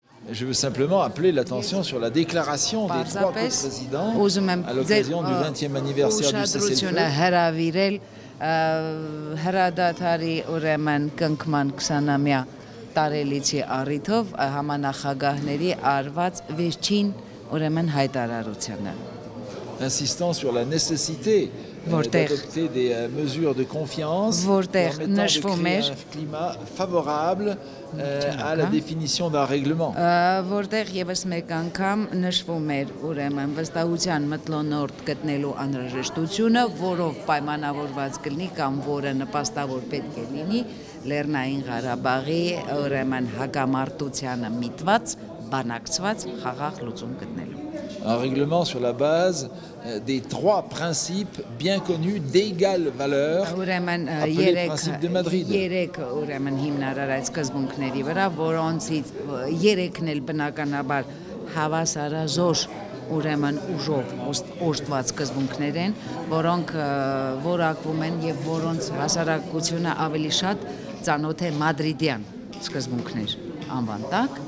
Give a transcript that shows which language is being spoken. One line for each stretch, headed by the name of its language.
French: Je veux simplement appeler l'attention sur la déclaration des trois co-présidents à l'occasion du 20e anniversaire du cessez-le-feu.
Armenian: Հրադա տարի ուրեմն կնքման 20-ամյա տարելիցի առիթով համանախագահների արված վերջին ուրեմն հայտարարությունը
French: insistant sur la nécessité d'adopter des mesures de confiance
Armenian: որտեղ նշվում էր
French: climat favorable à la définition d'un règlement
Armenian: որտեղ եւս մեկ անգամ նշվում էր ուրեմն վստահության մտլոնորդ գտնելու անհրաժեշտությունը որով պայմանավորված կլինի կամ որը նպաստավոր պետք է լինի Լեռնային Ղարաբաղի ուրեմն հակամարտությանը միտված բանակցված խաղաղ լուծում գտնելու
French: Un règlement sur la base des trois principes bien connus d'égale valeur, appelés principes de Madrid.